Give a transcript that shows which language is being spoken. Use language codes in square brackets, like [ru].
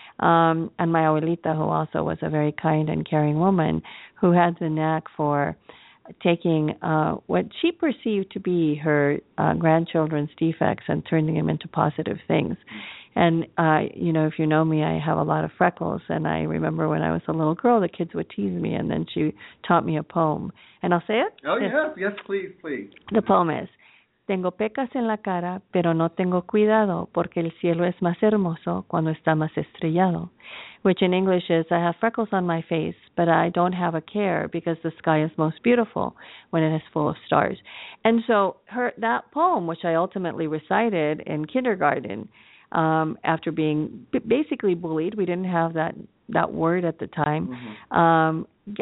[en] And my abuelita, who also was a very kind and caring woman, who had the knack for taking what she perceived to be her grandchildren's defects and turning them into positive things. And, you know, if you know me, I have a lot of freckles. And I remember when I was a little girl, the kids would tease me, and then she taught me a poem. And I'll say it? Oh, yes, please. The poem is, [es] Tengo pecas en la cara, pero no tengo cuidado porque el cielo es más hermoso cuando está más estrellado. [en] Which in English is, I have freckles on my face, but I don't have a care because the sky is most beautiful when it is full of stars. And so her that poem, which I ultimately recited in kindergarten, after being basically bullied, we didn't have that word at the time. Mm-hmm.